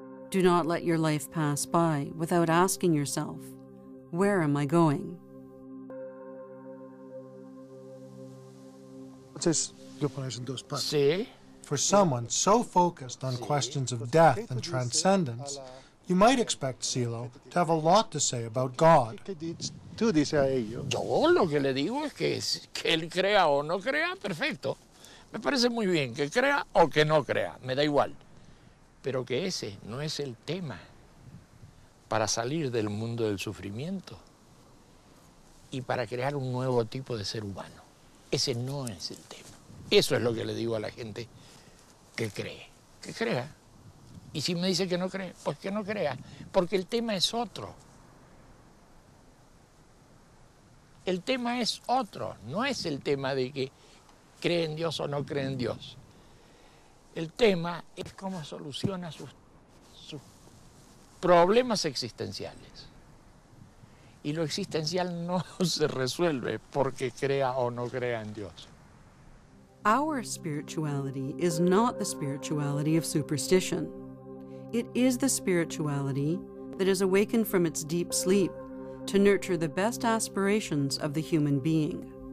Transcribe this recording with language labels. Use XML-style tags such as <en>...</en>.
<en>Do not let your life pass by without asking yourself, where am I going? For someone so focused on questions of death and transcendence, you might expect Silo to have a lot to say about God.</en> <es>Tú dices a ellos. Yo lo que le digo es que él crea o no crea, perfecto. Me parece muy bien que crea o que no crea, me da igual. Pero que ese no es el tema para salir del mundo del sufrimiento y para crear un nuevo tipo de ser humano. Ese no es el tema. Eso es lo que le digo a la gente, que cree, que crea. Y si me dice que no cree, pues que no crea, porque el tema es otro. El tema es otro, no es el tema de que cree en Dios o no cree en Dios. El tema es cómo soluciona sus problemas existenciales. Y lo existencial no se resuelve porque crea o no crea en Dios.</es> <en>Our spirituality is not the spirituality of superstition. It is the spirituality that is awakened from its deep sleep to nurture the best aspirations of the human being.</en>